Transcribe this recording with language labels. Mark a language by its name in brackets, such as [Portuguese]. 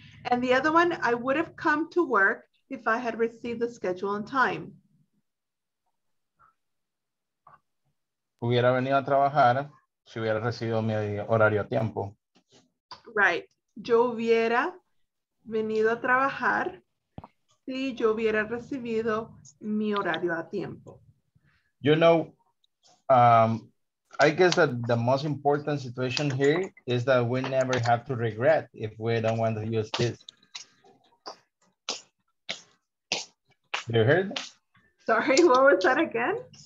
[English] And the other one, I would have come to work if I had received the schedule on time. [Spanish] hubiera venido a trabajar si hubiera recibido mi horario a tiempo. [English] Right. [Spanish] Yo hubiera venido a trabajar si yo hubiera recibido mi horario a tiempo. [English] You know, I guess that the most important situation here is that we never have to regret if we don't want to use this. You heard? Sorry, what was that again?